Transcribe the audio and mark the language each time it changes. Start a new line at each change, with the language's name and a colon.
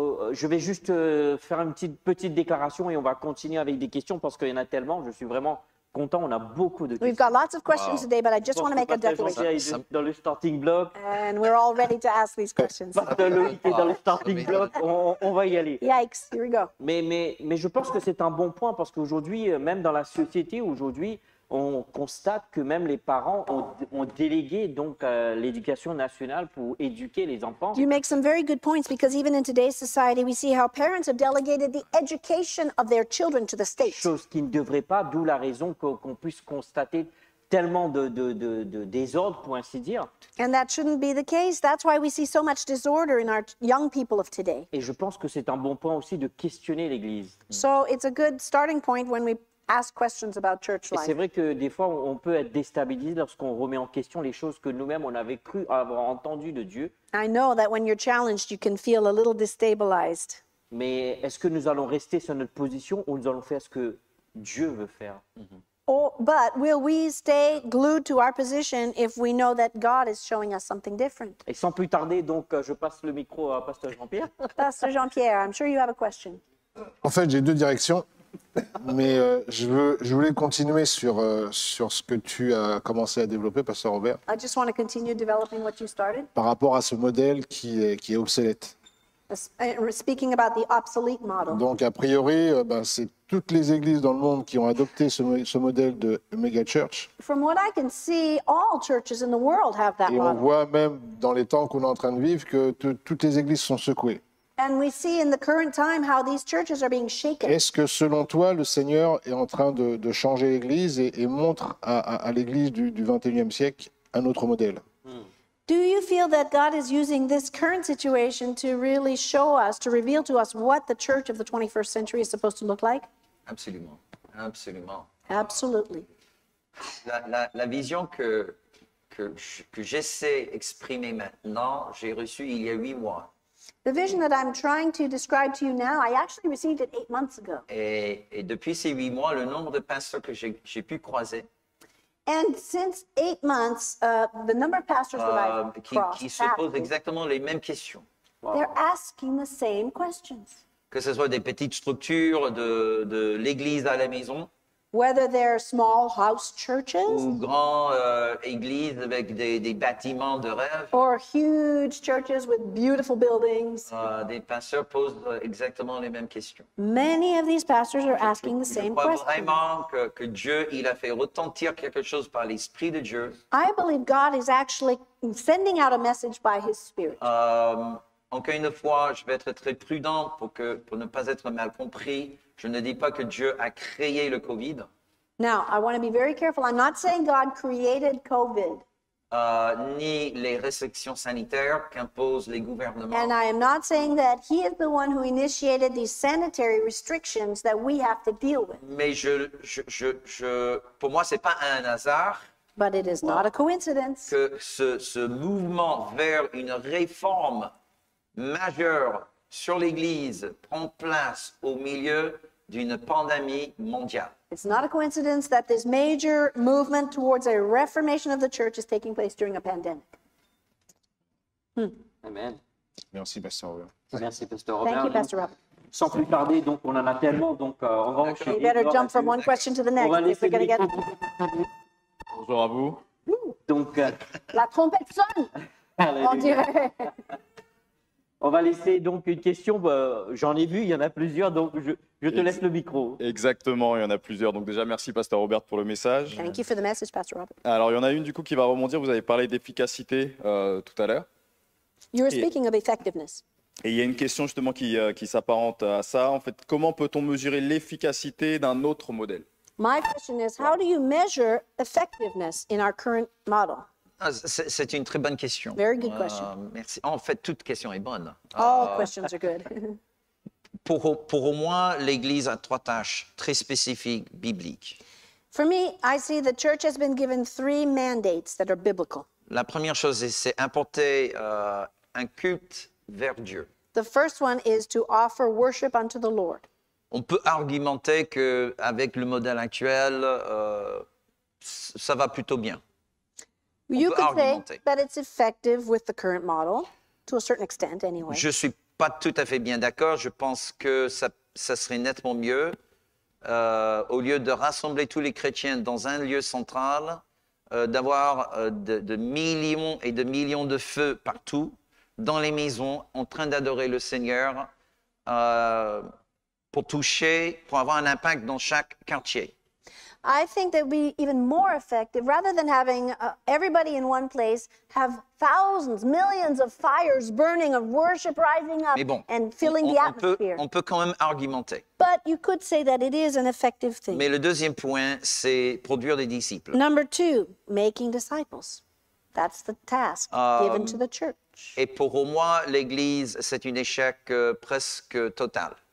French: Je vais juste faire une petite déclaration et on va continuer avec des questions parce qu'il y en a tellement. Je suis vraiment content. On a beaucoup de questions.
English: We've got lots of questions today, but I just want to make a declaration.
French: Pastor Loïc est dans le starting block.
English: And we're all ready to ask these questions.
French: Pastor Loïc est dans le starting block. On va y aller.
English: Yikes, here we go.
French: Mais je pense que c'est un bon point parce qu'aujourd'hui, même dans la société, aujourd'hui, on constate que même les parents ont délégué donc l'éducation nationale pour éduquer les enfants.
English: You make some very good points because even in today's society, we see how parents have delegated the education of their children to the state.
French: Chose qui ne devrait pas, d'où la raison qu'on puisse constater tellement de désordre, pour ainsi dire.
English: And that shouldn't be the case. That's why we see so much disorder in our young people of today.
French: Et je pense que c'est un bon point aussi de questionner l'Église.
English: So it's a good starting point when we ask questions about church life.
French: Et c'est vrai que des fois, on peut être déstabilisé lorsqu'on remet en question les choses que nous-mêmes, on avait cru avoir entendu de Dieu.
English: I know that when you're challenged, you can feel a little destabilized.
French: Mais est-ce que nous allons rester sur notre position ou nous allons faire ce que Dieu veut faire?
English: But will we stay glued to our position if we know that God is showing us something different?
French: Et sans plus tarder, donc, je passe le micro à Pasteur Jean-Pierre.
English: Pasteur Jean-Pierre, I'm sure you have a question.
French: En fait, j'ai deux directions. Mais je voulais continuer sur ce que tu as commencé à développer, Pasteur Robert.
English: I just want to continue developing what you started.
French: Par rapport à ce modèle qui est obsolète.
English: Speaking about the obsolete model.
French: Donc a priori, c'est toutes les églises dans le monde qui ont adopté ce modèle de mega church.
English: From what I can see, all churches in the world have that
French: model. Et on voit même dans les temps qu'on est en train de vivre que toutes les églises sont secouées.
English: And we see in the current time how these churches are being shaken.
French: Est-ce que selon toi, le Seigneur est en train de changer l'Église et montre à l'Église du 21e siècle un autre modèle?
English: Do you feel that God is using this current situation to really show us, to reveal to us what the church of the 21st century is supposed to look like?
French: Absolument. Absolument.
English: Absolutely.
French: La vision que j'essaie d'exprimer maintenant, j'ai reçue il y a 8 mois.
English: The vision that I'm trying to describe to you now, I actually received it 8 months ago.
French: Et depuis ces 8 mois, le nombre de pasteurs que j'ai pu croiser.
English: And since 8 months, the number of pastors that I've crossed.
French: Qui se posent exactement les mêmes questions.
English: Wow. They're asking the same questions.
French: Que ce soit des petites structures de l'église à la maison.
English: Whether they're small house churches.
French: Ou grands églises avec des bâtiments de rêve.
English: Or huge churches with beautiful buildings.
French: Des pasteurs posent exactement les mêmes questions.
English: Many of these pastors are asking the same questions.
French: Je crois vraiment que Dieu, il a fait retentir quelque chose par l'Esprit de Dieu.
English: I believe God is actually sending out a message by His Spirit.
French: Encore une fois, je vais être très prudent pour ne pas être mal compris. Je ne dis pas que Dieu a créé le COVID.
English: Now, I want to be very careful. I'm not saying God created COVID.
French: Ni les restrictions sanitaires qu'imposent les gouvernements.
English: And I am not saying that he is the one who initiated these sanitary restrictions that we have to deal with.
French: Mais je pour moi, c'est pas un hasard.
English: But it is not a coincidence.
French: Que ce mouvement vers une réforme majeure sur l'Église prend place au milieu d'une pandémie mondiale.
English: It's not a coincidence that this major movement towards a reformation of the church is taking place during a pandemic. Amen.
French: Merci, Pasteur Robert. Merci, Pasteur Robert.
English: Thank you, Pasteur Robert.
French: Sans plus tarder, donc on en a tellement, donc en revanche.
English: You better jump from one question to the next.
French: On va laisser le micro. Bonjour à vous. Donc la trompette sonne. Alléluia. On dirait. On va laisser donc une question, j'en ai vu, il y en a plusieurs, donc je te laisse le micro. Exactement, il y en a plusieurs. Donc déjà, merci Pasteur Robert pour le message.
English: Thank you for the message, Pastor Robert.
French: Alors, il y en a une du coup qui va rebondir, vous avez parlé d'efficacité tout à l'heure.
English: You were speaking of effectiveness.
French: Et il y a une question justement qui s'apparente à ça. En fait, comment peut-on mesurer l'efficacité d'un autre modèle?
English: My question is, how do you measure effectiveness in our current model?
French: C'est une très bonne question.
English: Very good question.
French: Merci. En fait, toute question est bonne.
English: All questions are good.
French: pour au moins, l'Église a trois tâches très spécifiques, bibliques.
English: For me, I see the church has been given three mandates that are biblical.
French: La première chose, c'est importer un culte vers Dieu.
English: The first one is to offer worship unto the Lord.
French: On peut argumenter que avec le modèle actuel, ça va plutôt bien.
English: You could say that it's effective with the current model, to a certain extent, anyway.
French: Je suis pas tout à fait bien d'accord. Je pense que ça serait nettement mieux au lieu de rassembler tous les chrétiens dans un lieu central, d'avoir de millions et de millions de feux partout dans les maisons en train d'adorer le Seigneur pour toucher, pour avoir un impact dans chaque quartier.
English: I think that would be even more effective, rather than having everybody in one place have thousands, millions of fires burning, of worship rising up bon, and filling the atmosphere.
French: On peut quand même argumenter.
English: But you could say that it is an effective thing.
French: Mais le deuxième point, c'est produire des disciples.
English: Number two, making disciples. That's the task given to the church.
French: Et pour au moins, l'Église, c'est un échec presque total.